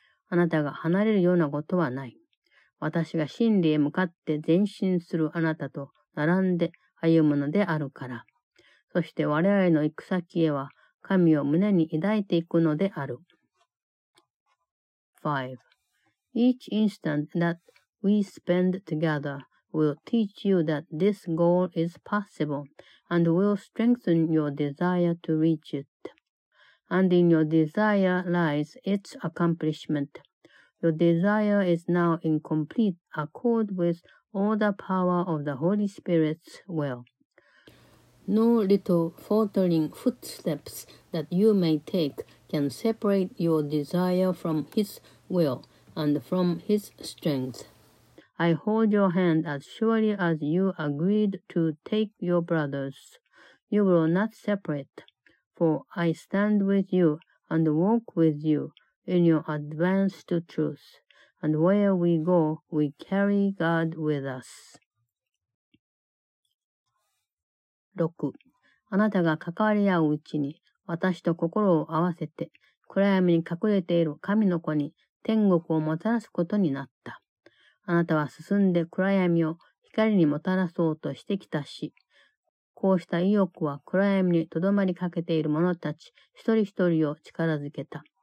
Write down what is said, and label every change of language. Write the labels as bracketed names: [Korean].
[Japanese] あなたが離れるようなことはない。私が真理へ向かって前進するあなたと並んで歩むのであるから。そして我々の行く先へは神を胸に抱いていくのである。 5. [English] Each instant that we spend together will teach you that this goal is possible and will strengthen your desire to reach it. And in your desire lies its accomplishment. Your desire is now in complete accord with all the power of the Holy Spirit's will. No little faltering footsteps that you may take can separate your desire from His will and from His strength. I hold your hand as surely as you agreed to take your brother's. You will not separate. For I stand with you and walk with you in your advance to truth, and where we go, we carry God with us. 6. [Japanese] あなたが関わり合ううちに、私と心を合わせて、暗闇に隠れている神の子に天国をもたらすことになった。あなたは進んで暗闇を光にもたらそうとしてきたし、こうした意欲は暗闇にとどまりかけている者たち一人一人を力づけた。